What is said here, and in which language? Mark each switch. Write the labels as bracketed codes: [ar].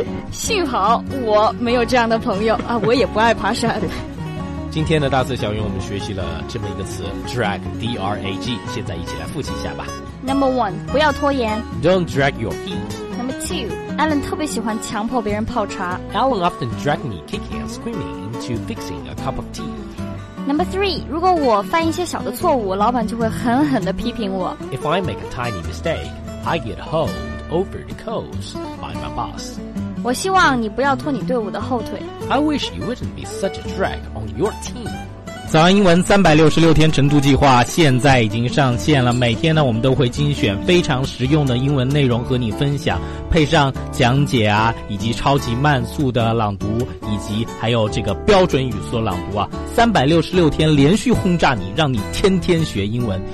[zh] 幸好我没有这样的朋友啊，我也不爱爬山。今天的大字小语我们学习了这么一个词 drag, D-R-A-G, 现在一起来复习一下吧。 [en] Number one, [zh] 不要拖延。 [en] Don't drag your feet. Number two, [zh] Alan 特别喜欢强迫别人泡茶。 [en] Alan often drag me kicking and screaming into fixing a cup of tea. Number three, [zh] 如果我犯一些小的错误，老板就会狠狠地批评我。 [en] If I make a tiny mistake, I get hauled over the coals by my boss. [zh] 我希望你不要拖你队伍的后腿。 [en] I wish you wouldn't be such a drag on your team. [zh] 早安英文366天晨读计划现在已经上线了，每天呢我们都会精选非常实用的英文内容和你分享，配上讲解啊，以及超级慢速的朗读，以及还有这个标准语速朗读啊，366天连续轰炸你，让你天天学英文。